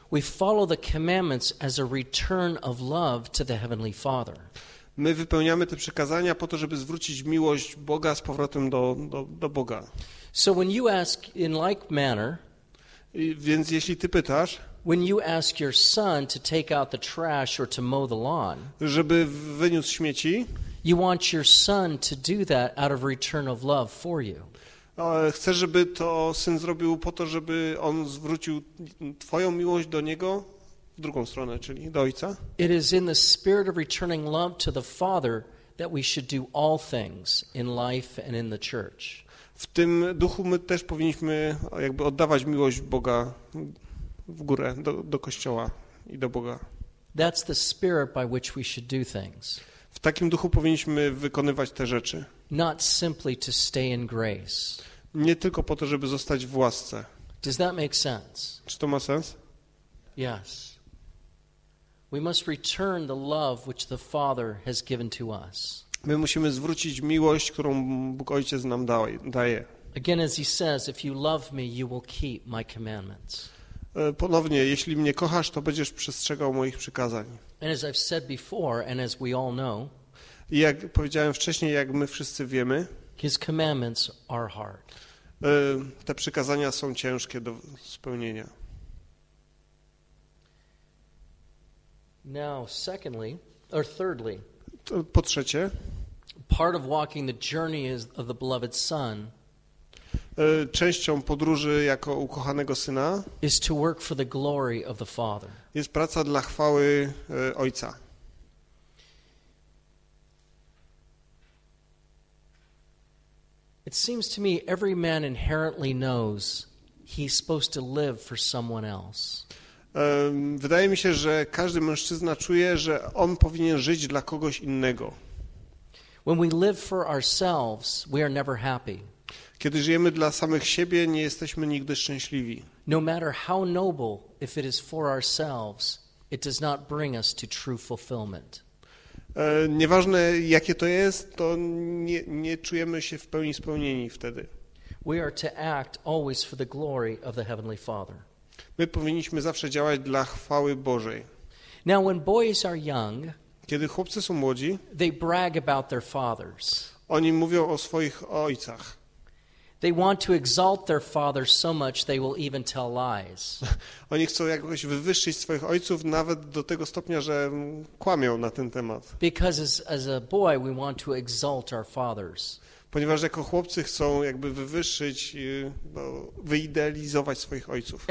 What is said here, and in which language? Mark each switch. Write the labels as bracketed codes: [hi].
[en] We follow the commandments as a return of love to the Heavenly Father. [pl] My wypełniamy te przykazania po to, żeby zwrócić miłość Boga z powrotem do Boga. [en] So when you ask in like manner, [pl] więc jeśli ty pytasz, [en] when you ask your son to take out the trash or to mow the lawn, [pl] żeby wyniósł śmieci, [en] you want your son to do that out of return of love for you. [pl] Chcesz, żeby to syn zrobił po to, żeby on zwrócił twoją miłość do niego w drugą stronę, czyli do ojca. [en] It is in the spirit of returning love to the Father that we should do all things in life and in the church. [pl] W tym duchu my też powinniśmy jakby oddawać miłość Boga w górę do Kościoła i do Boga. [en] That's the spirit by which we should do things. [pl] W takim duchu powinniśmy wykonywać te rzeczy. [en] Not simply to stay in grace. [pl] Nie tylko po to, żeby zostać w łasce. [en] Does that make sense? [pl] Czy to ma sens? [en] Yes. We must return the love which the Father has given to us. [pl] My musimy zwrócić miłość, którą Bóg Ojciec nam daje. [en] Again, as he says, if you love me, you will keep my commandments. [pl] Ponownie, jeśli mnie kochasz, to będziesz przestrzegał moich przykazań. [en] And as I've said before, and as we all know, [pl] jak powiedziałem wcześniej, jak my wszyscy wiemy, [en] his commandments are hard. [pl] Te przykazania są ciężkie do spełnienia. [en] Now, secondly, or thirdly, [pl] po trzecie, [en] part of walking the journey is of the beloved son. [pl] Częścią podróży jako ukochanego syna [en] is to work for the glory of the Father. [pl] Jest praca dla chwały Ojca. [en] It seems to me every man inherently knows he's supposed to live for someone else. [pl] Wydaje mi się, że każdy mężczyzna czuje, że on powinien żyć dla kogoś innego. [en] When we live for ourselves, we are never happy. [pl] Kiedy żyjemy dla samych siebie, nie jesteśmy nigdy szczęśliwi. [en] No matter how noble, if it is for ourselves, it does not bring us to true fulfillment. [pl] Nieważne jakie to jest, to nie czujemy się w pełni spełnieni wtedy. [en] We are to act always for the glory of the Heavenly Father. [pl] My powinniśmy zawsze działać dla chwały Bożej. [en] Now when boys are young, [pl] kiedy chłopcy są młodzi, [en] they brag about their fathers. [pl] Oni mówią o swoich ojcach. [en] They want to exalt their father so much they will even tell lies. [pl] Oni chcą jakoś wywyższyć swoich ojców nawet do tego stopnia, że kłamią na ten temat. [en] Because as a boy we want to exalt our fathers. [pl] Ponieważ jako chłopcy chcą jakby wywyższyć, wyidealizować swoich ojców.